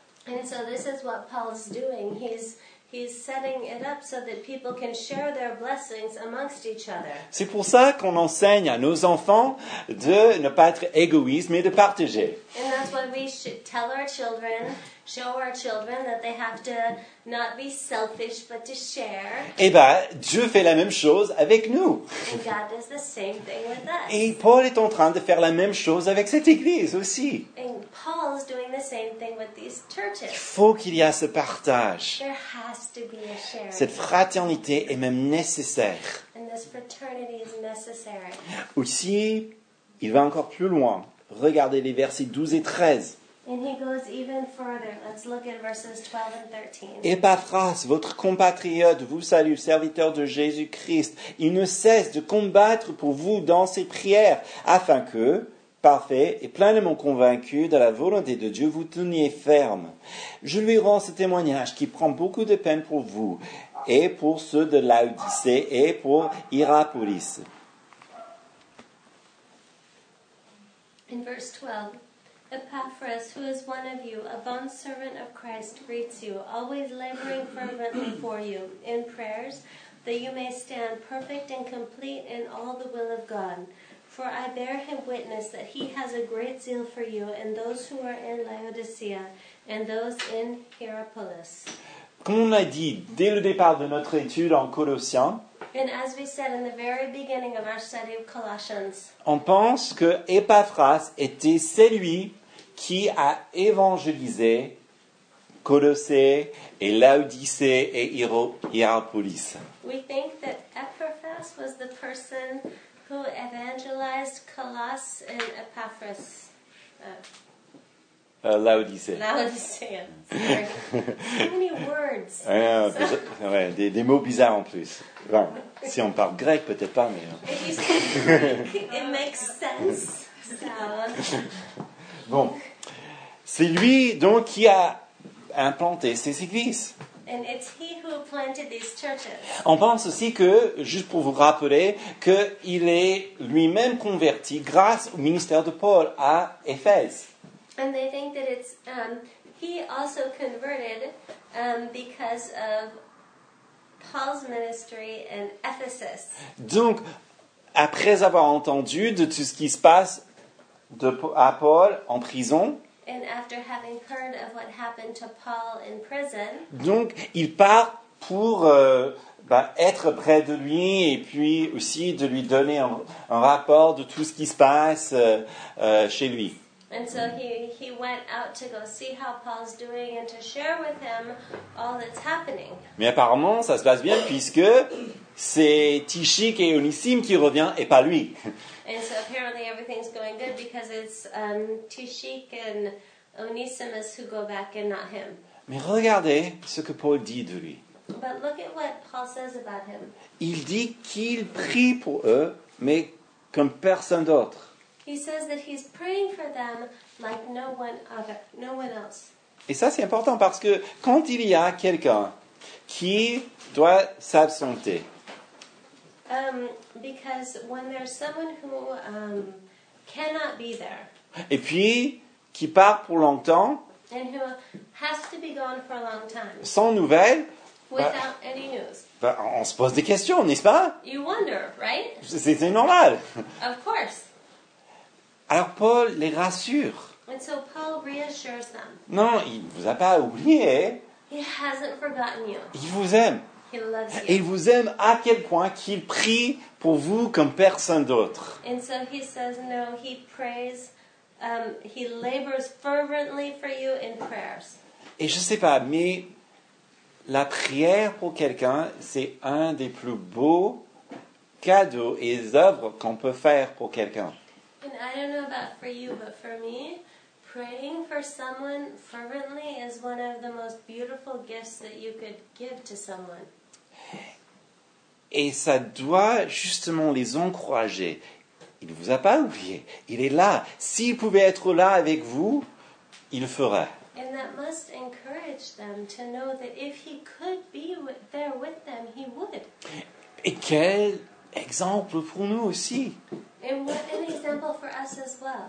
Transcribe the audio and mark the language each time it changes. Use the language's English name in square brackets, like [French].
[English] And so this is what Paul's doing. He's setting it up so that people can share their blessings amongst each other. [French] C'est pour ça qu'on enseigne à nos enfants de ne pas être égoïste mais de partager. [English] And that's why we should tell our children, show our children that they have to not be selfish but to share. [French] Et ben, Dieu fait la même chose avec nous. [English] And God does the same thing with us. [French] Et Paul est en train de faire la même chose avec cette église aussi. [English] And Paul is doing the same thing with these churches. [French] Il faut qu'il y ait ce partage. [English] There has to be a sharing. [French] Cette fraternité est même nécessaire. [English] And this fraternity is necessary. [French] Aussi, il va encore plus loin. Regardez les versets 12 et 13. [English] And he goes even further. Let's look at verses 12 and 13. [French] Epaphras, votre compatriote, vous salue, serviteur de Jésus-Christ. Il ne cesse de combattre pour vous dans ses prières, afin que, parfait et pleinement convaincu de la volonté de Dieu, vous teniez ferme. Je lui rends ce témoignage qui prend beaucoup de peine pour vous, et pour ceux de Laodicée, et pour Hierapolis. [English] In verse 12. Epaphras, who is one of you, a bondservant of Christ, greets you, always laboring fervently for you in prayers, that you may stand perfect and complete in all the will of God. For I bear him witness that he has a great zeal for you and those who are in Laodicea and those in Hierapolis. [French] Comme on a dit dès le départ de notre étude en Colossiens, [English] and as we said in the very beginning of our study of Colossians, [French] on pense que Epaphras était celui qui a évangélisé Colossée et Laodicée et Hierapolis. [English] We think that Epaphras was the person who evangelized Colossus and Epaphras. [French] Laodicée. [English] Laodicée. Too many words. [French] Ouais, des mots bizarres en plus. Enfin, si on parle grec, peut-être pas, mais. [English] It makes sense. So. [French] Bon, c'est lui donc qui a implanté ces églises. [English] And it's he who planted these churches. [French] On pense aussi que, juste pour vous rappeler, qu'il est lui-même converti grâce au ministère de Paul à Éphèse. [English] And they think that it's he also converted because of Paul's ministry in Ephesus. [French] Donc, après avoir entendu de tout ce qui se passe à Paul en prison, [English] and after having heard of what happened to Paul in prison, [French] donc il part pour être près de lui et puis aussi de lui donner un rapport de tout ce qui se passe chez lui. [English] And so he went out to go see how Paul's doing and to share with him all that's happening. [French] Mais apparemment, ça se passe bien puisque c'est Tychique et Onésime qui revient et pas lui. [English] And so apparently everything's going good because it's Tychique and Onesimus who go back and not him. [French] Mais regardez ce que Paul dit de lui. [English] But look at what Paul says about him. [French] Il dit qu'il prie pour eux, mais comme personne d'autre. [English] He says that he's praying for them like no one other, no one else. [French] Et ça c'est important parce que quand il y a quelqu'un qui doit s'absenter. [English] Because when there's someone who cannot be there. [French] Et puis qui part pour longtemps. [English] And who has to be gone for a long time. [French] Sans nouvelles. [English] Without any news. [French] On se pose des questions, n'est-ce pas? [English] You wonder, right? [French] C'est normal. [English] Of course. [French] Alors Paul les rassure. [English] And so Paul reassures them. [French] Non, il ne vous a pas oublié. [English] He hasn't forgotten you. [French] Il vous aime. [English] He loves you. [French] Et il vous aime à quel point qu'il prie pour vous comme personne d'autre. [English] And so he says, no, he prays, he labors fervently for you in prayers. [French] Et je ne sais pas, mais la prière pour quelqu'un, c'est un des plus beaux cadeaux et œuvres qu'on peut faire pour quelqu'un. [English] And I don't know about for you, but for me, praying for someone fervently is one of the most beautiful gifts that you could give to someone. [French] Et ça doit justement les encourager. Il ne vous a pas oublié. Il est là. S'il pouvait être là avec vous, il le ferait. [English] And that must encourage them to know that if he could be there with them, he would. [French] Et quel exemple pour nous aussi. [English] And what an example for us as well.